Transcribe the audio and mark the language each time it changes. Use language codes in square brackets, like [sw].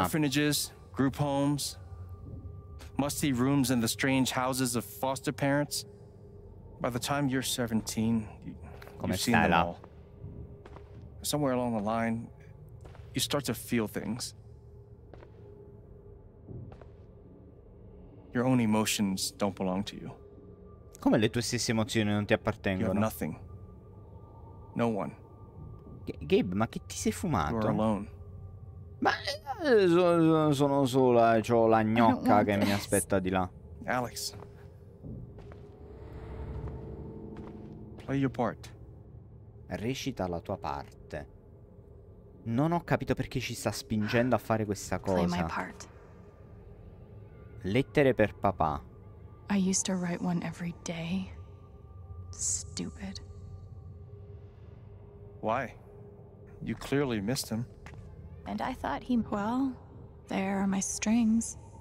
[en] Orphanages, group homes, musty rooms in the strange houses of foster parents. By the time you're 17, you've seen them all. Somewhere along the line, you start to feel things. Your own emotions don't belong to you. [it] Come le tue stesse emozioni non ti appartengono? [en] You're nothing. No one. [it] Gabe, ma che ti sei fumato? [en] You're alone. [it] Ma sono sola e c'ho la gnocca che mi aspetta di là. Alex. [en] Play your part. [it] Recita la tua parte. Non ho capito perché ci sta spingendo a fare questa cosa. [en] Play my part. [it] Lettere per papà. [en] I used to write one every day. Stupid. Why? You clearly missed him. And I thought he... Well, there are my strings.